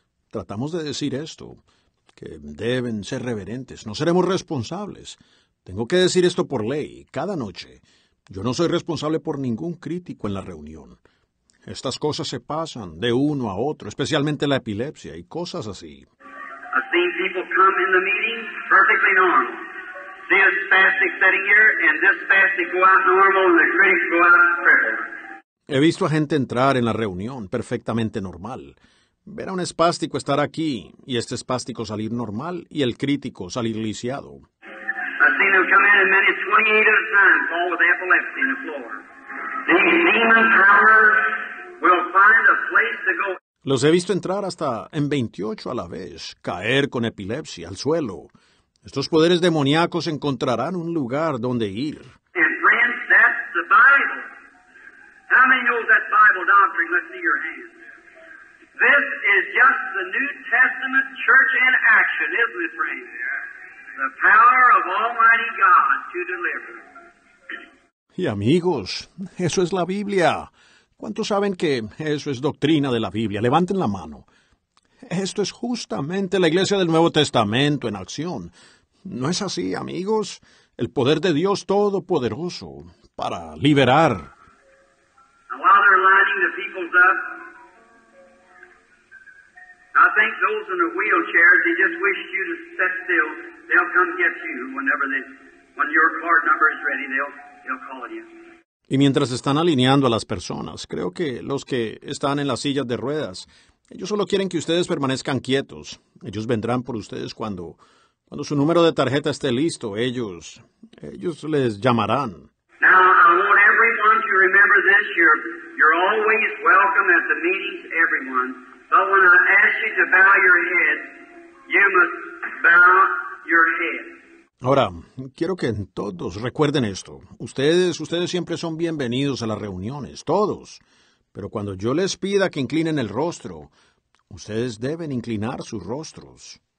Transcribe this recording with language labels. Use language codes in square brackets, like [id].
[es] Tratamos de decir esto, que deben ser reverentes. No seremos responsables. Tengo que decir esto por ley, cada noche. Yo no soy responsable por ningún crítico en la reunión. Estas cosas se pasan de uno a otro, especialmente la epilepsia y cosas así. [en] I've seen people come in the meeting perfectly normal. This spastic sitting here and this spastic go out normal and the critics go out crippled. [es] He visto a gente entrar en la reunión perfectamente normal. Ver a un espástico estar aquí y este espástico salir normal y el crítico salir lisiado. [en] I've seen them come in many 28 at a time, fall with epilepsy in the floor. These demon travelers will find a place to go. [es] Los he visto entrar hasta en 28 a la vez, caer con epilepsia al suelo. Estos poderes demoníacos encontrarán un lugar donde ir. [en] And friends, that's the Bible. How many know that Bible doctrine? Let's see your hands. This is just the New Testament church in action, isn't it, friends? The power of Almighty God to deliver. [es] Y amigos, eso es la Biblia. ¿Cuántos saben que eso es doctrina de la Biblia? Levanten la mano. Esto es justamente la iglesia del Nuevo Testamento en acción. ¿No es así, amigos? El poder de Dios Todopoderoso para liberar. [en] Now, while they're lining the people up, I think those in the wheelchairs, they just wish you to sit still. They'll come get you whenever they When your card number is ready, they'll call it in. [es] Y mientras están alineando a las personas, creo que los que están en las sillas de ruedas, ellos solo quieren que ustedes permanezcan quietos. Ellos vendrán por ustedes cuando su número de tarjeta esté listo. Ellos les llamarán. [en] Now, I want everyone to remember this. You're always welcome at the meetings, everyone. But when I ask you to bow your head, you must bow your head. [es] Ahora, quiero que todos recuerden esto. Ustedes siempre son bienvenidos a las reuniones, todos. Pero cuando yo les pida que inclinen el rostro, ustedes deben inclinar sus rostros.